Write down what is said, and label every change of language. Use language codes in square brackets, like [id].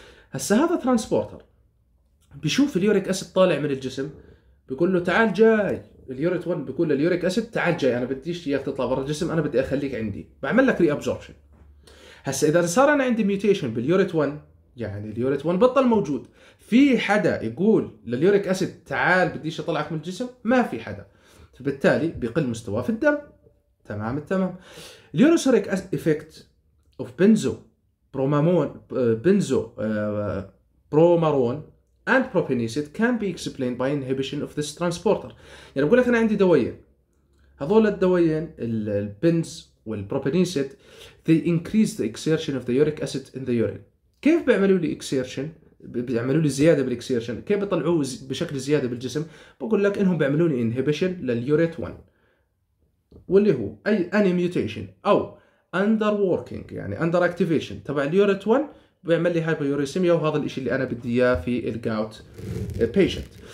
[ar] هسه هذا ترانسبورتر بيشوف اليوريك اسيد طالع من الجسم بيقول له تعال جاي، اليوريت 1 بيقول لليوريك اسيد تعال جاي، انا بديش اياك تطلع برا الجسم، انا بدي اخليك عندي، بعمل لك ري ابزوربشن. هسه اذا صار انا عندي ميوتيشن باليوريت 1، يعني اليوريت 1 بطل موجود، في حدا يقول لليوريك اسيد تعال بديش اطلعك من الجسم؟ ما في حدا، فبالتالي بيقل مستواه في الدم. تمام التمام. [en] اليوريك effect of benzbromarone benzbromarone and propionate can be explained by inhibition of this transporter. [ar] يعني بقول لك انا عندي دوايين، هذول الدوايين البنز والبروبينيسيت [en] they increase the exertion of the uric acid in the urine. [ar] كيف بيعملوا لي exertion؟ بيعملوا لي زياده بالexertion. كيف بيطلعوه بشكل زياده بالجسم؟ بقول لك انهم بيعملوا لي inhibition لليوريت 1 واللي هو اي any mutation او under working يعني under activation تبع اليوريت 1 بيعمل لي هايبريوريسيميا، وهذا الاشي اللي انا بدي اياه في الجاوت بيشنت.